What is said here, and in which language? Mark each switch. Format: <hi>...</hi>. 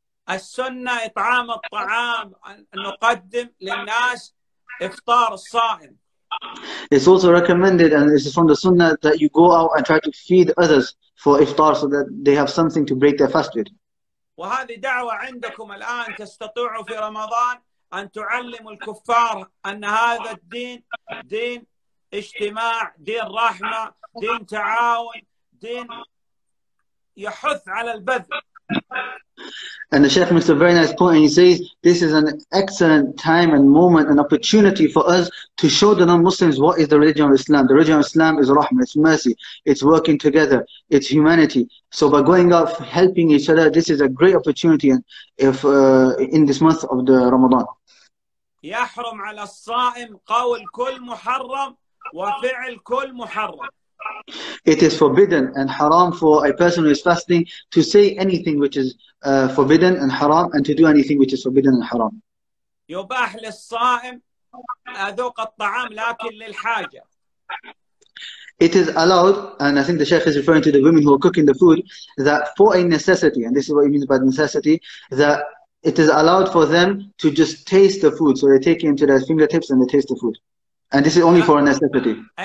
<ar>السنة إطعام الطعام نقدم للناس إفطار الصائم.</ar> <en>It's also recommended and it's from the sunnah that you go out and try to feed others for iftar so that they have something to break their fast with.</en> <ar>وهذه دعوة عندكم الآن تستطيعوا في رمضان أن تعلموا الكفار أن هذا الدين دين اجتماع دين رحمة دين تعاون دين يحث على البذل.</ar> <en>And the chef makes a very nice point, and he says, this is an excellent time and moment, an opportunity for us to show the non-Muslims what is the religion of Islam. The religion of Islam is rahmah, it's mercy, it's working together, it's humanity. So by going out, helping each other, this is a great opportunity if in this month of the Ramadan.</en> <ar>يحرم على الصائم قول كل محرم وفعل كل محرم.</ar> <en>It is forbidden and haram for a person who is fasting to say anything which is forbidden and haram and to do anything which is forbidden and haram.</en> <ar>يباح للصائم أذوق الطعام لكن للحاجة.</ar> <en>It is allowed, and I think the Sheikh is referring to the women who are cooking the food, that for a necessity, and this is what he means by necessity, that it is allowed for them to just taste the food. So they take it into their fingertips and they taste the food. And this is only for a necessity.</en>